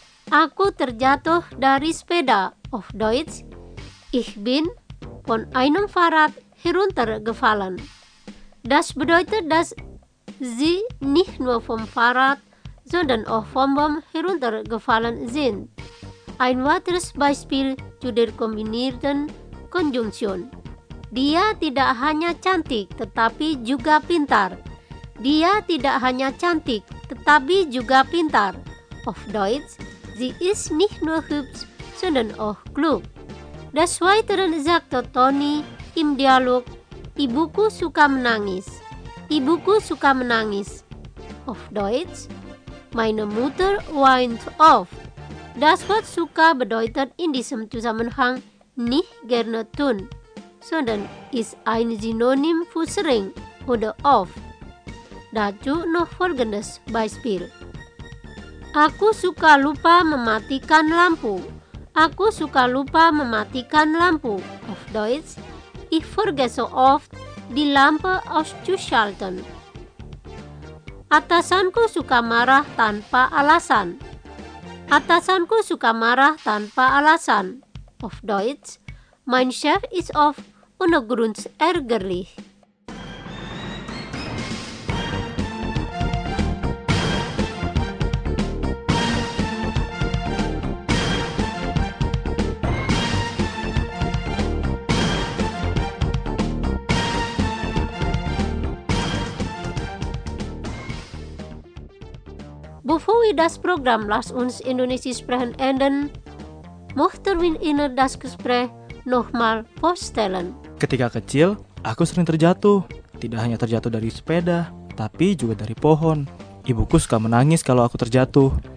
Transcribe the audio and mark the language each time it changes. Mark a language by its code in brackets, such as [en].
[id] Aku terjatuh dari sepeda, [de] auf Deutsch, ich bin von einem Fahrrad heruntergefallen. Das bedeutet, dass sie nicht nur vom Fahrrad, sondern auch vom Baum heruntergefallen sind. Ein weiteres Beispiel zu der kombinierten Konjunktion. [id] Dia tidak hanya cantik, tetapi juga pintar. Dia tidak hanya cantik, tetapi juga pintar. [de] Auf Deutsch, sie ist nicht nur hübsch, sondern auch klug. Das weiteren sagte Toni im Dialog, [id] ibuku suka menangis. Ibuku suka menangis. [de] Auf Deutsch, meine Mutter weint oft. Das Wort suka bedeutet in diesem Zusammenhang nicht gerne tun, sondern ist ein Synonym für sering oder oft. Dazu noch folgendes Beispiel. [id] Aku suka lupa mematikan lampu. Aku suka lupa mematikan lampu. [de] Auf Deutsch, ich vergesse oft die Lampe auszuschalten. [id] Atasanku suka marah tanpa alasan. Atasanku suka marah tanpa alasan. [de] Auf Deutsch, mein Chef ist oft ohne Grund ärgerlich. Bevor wir das Programm Lass uns Indonesisch sprechen enden, möchten wir Ihnen das Gespräch nochmal vorstellen. [id] Ketika kecil, aku sering terjatuh. Tidak hanya terjatuh dari sepeda, tapi juga dari pohon. Ibuku suka menangis kalau aku terjatuh.